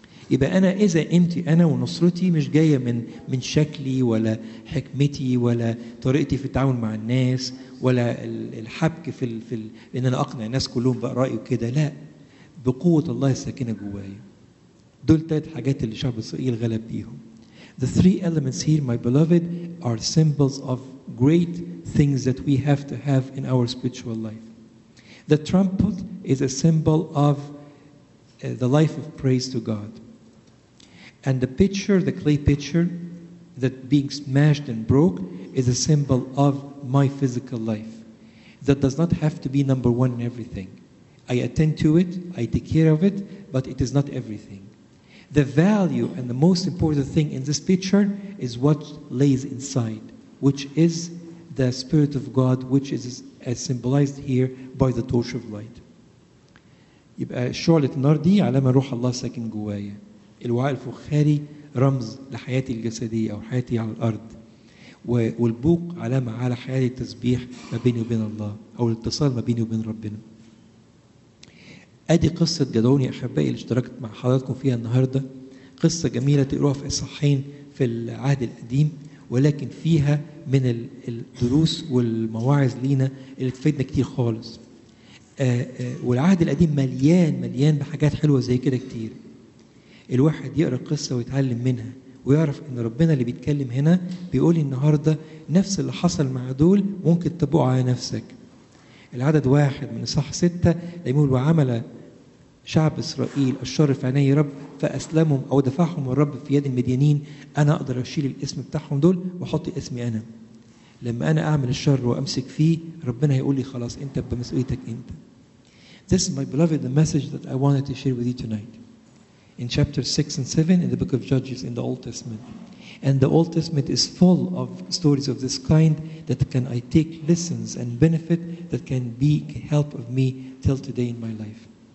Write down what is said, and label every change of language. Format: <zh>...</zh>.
<ar>يبقى أنا إذا قيمتي أنا ونصرتي مش جاية من شكلي ولا حكمتي ولا طريقتي في التعامل مع الناس ولا الحبك في إن أنا أقنع الناس كلهم بقى رأيي وكده، لا، بقوة الله الساكنة جوايا. دول تلات حاجات اللي شعب إسرائيل غلب بيهم.</ar> <en>The three elements here, my beloved, are symbols of great things that we have to have in our spiritual life. The trumpet is a symbol of the life of praise to God. And the pitcher, the clay pitcher, that being smashed and broke, is a symbol of my physical life. That does not have to be number one in everything. I attend to it, I take care of it, but it is not everything. The value and the most important thing in this picture is what lays inside, which is the Spirit of God, which is as symbolized here by the torch of light.</en> <ar>شعلة النار دي علامة روح الله ساكن جوايا. الوعاء الفخاري رمز لحياتي الجسدية أو حياتي على الأرض. والبوق علامة على حياتي التسبيح ما بيني وبين الله أو الاتصال ما بيني وبين ربنا. أدي قصة جدعون يا أحبائي اللي اشتركت مع حضراتكم فيها النهاردة. قصة جميلة تقروها في إصحاحين في العهد القديم، ولكن فيها من الدروس والمواعظ لينا اللي تفيدنا كتير خالص. والعهد القديم مليان بحاجات حلوة زي كده كتير. الواحد يقرأ القصة ويتعلم منها ويعرف أن ربنا اللي بيتكلم هنا بيقول النهاردة نفس اللي حصل مع دول ممكن تطبقه على نفسك. العدد 1 من إصحاح 6 يقول: وعمل شعب إسرائيل الشر في عيني رب فأسلمهم أو دفعهم الرب في يد المديانين. أنا أقدر أشيل الاسم بتاعهم دول وحط اسمي أنا. لما أنا أعمل الشر وأمسك فيه، ربنا هيقول لي خلاص أنت بمسؤوليتك أنت.</ar> <en>This is my beloved the message that I wanted to share with you tonight. In chapter 6 and 7 in the book of Judges in the Old Testament. And the Old Testament is full of stories of this kind that can I take lessons and benefit that can be help of me till today in my life.</en>